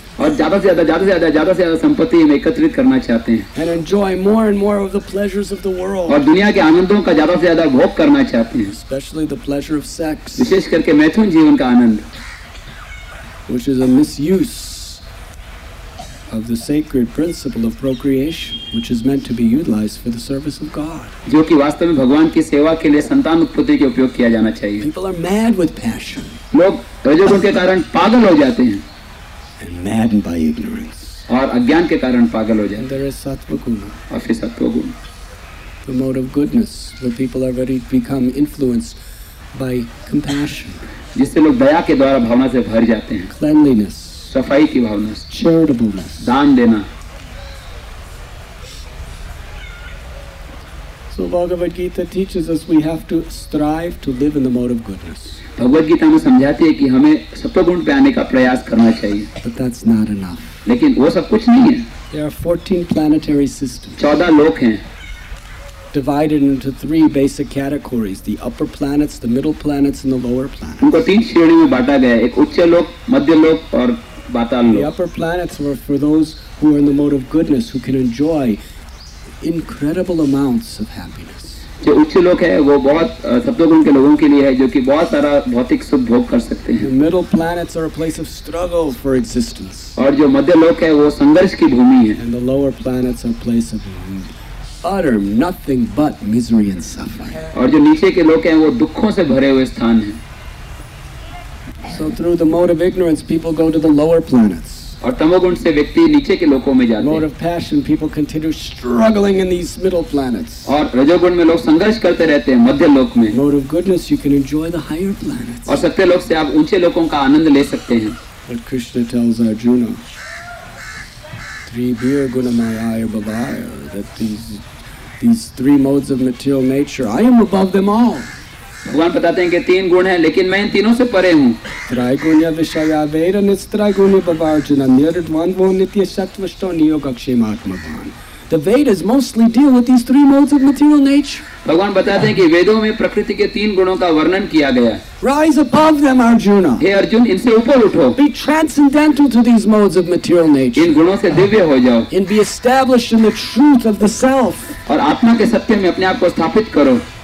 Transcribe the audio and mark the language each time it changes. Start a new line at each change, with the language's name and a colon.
Hindi: और ज्यादा से ज्यादा संपत्ति हम एकत्रित करना चाहते हैं.
English: And enjoy more and more of the pleasures of the world.
Hindi: और दुनिया के आनंदों का ज्यादा से ज्यादा भोग करना चाहते हैं.
English: Especially the pleasure of sex.
Hindi: विशेष करके मैथुन जीवन का आनंद.
English: Which is a misuse of the sacred principle of procreation, which is meant to be utilized for the service of God.
Hindi: जो कि वास्तव में भगवान की सेवा के लिए संतान उत्पत्ति के उपयोग किया जाना चाहिए.
English: People are mad with passion.
Hindi: लोग रजोगुण के कारण पागल हो जाते हैं.
English: And maddened by ignorance.
Hindi: और अज्ञान के कारण पागल हो जाते हैं.
English: There is sattvaguna.
Hindi: और फिर सत्वगुण.
English: The mode of goodness, where people are very become influenced by compassion.
Hindi: जिससे लोग दया के द्वारा भावना से भर जाते हैं.
English: Cleanliness.
Hindi: सफाई की भावना.
English: Charitableness.
Hindi: दान देना.
English: So Bhagavad Gita teaches us we have to strive to live in the mode of goodness.
Hindi: Bhagavad Gita में समझाती है कि हमें सत्वगुण पे आने का प्रयास करना चाहिए.
English: But that's not enough.
Hindi: लेकिन वो सब कुछ नहीं है.
English: There are 14 planetary systems.
Hindi: 14 लोक हैं.
English: Divided into three basic categories: the upper planets, the middle planets, and the lower planets.
Hindi: उनको तीन श्रेणी में बांटा गया है: एक उच्च लोक, मध्य लोक और पाताल लोक.
English: The upper planets were for those who are in the mode of goodness, who can enjoy incredible amounts of happiness.
Hindi: जो उच्च लोक है वो बहुत सत्वगुण के लोगों के लिए है जो कि बहुत सारा भौतिक सुख भोग कर सकते हैं.
English: Middle planets are a place of struggle for existence.
Hindi: और जो मध्य लोक है वो संघर्ष की भूमि है.
English: And the lower planets are a place of utter nothing but misery and suffering.
Hindi: और जो नीचे के लोक हैं वो दुखों से भरे हुए स्थान हैं.
English: So through the mode of ignorance, people go to the lower planets.
Hindi: और तमोगुण से व्यक्ति नीचे के लोकों में जाते हैं.
English: Mode of passion, people continue struggling in these middle planets.
Hindi: और रजोगुण में लोग संघर्ष करते रहते हैं मध्य लोक में.
English: Mode of goodness, you can enjoy the higher planets.
Hindi: और सत्य लोक से आप ऊंचे लोकों का आनंद ले सकते हैं.
English: But Krishna tells Arjuna,
Sanskrit: Tribhir Gunamaya Bhavaya,
English: that these three modes of material nature, I am above them all.
Hindi: भगवान बताते हैं कि तीन गुण हैं लेकिन मैं इन तीनों से परे हूँ.
Sanskrit: त्रिगुण्य विषया वैर निस्त्रिगुण्य बवार्जुन निर्द्वान वो नित्य सत्वष्टो नियोग क्षेमात्मवान.
English: The Vedas mostly deal with these three modes of material nature.
Hindi: भगवान बताते हैं कि वेदों में प्रकृति के तीन गुणों का वर्णन किया गया है.
English: Rise above them, Arjuna.
Hindi: हे अर्जुन, इनसे ऊपर उठो.
English: Be transcendental to these modes of material nature.
Hindi: इन गुणों से दिव्य हो जाओ.
English: And be established in the truth of the self.
Hindi: और आत्मा के सत्य में अपने आप को स्थापित करो.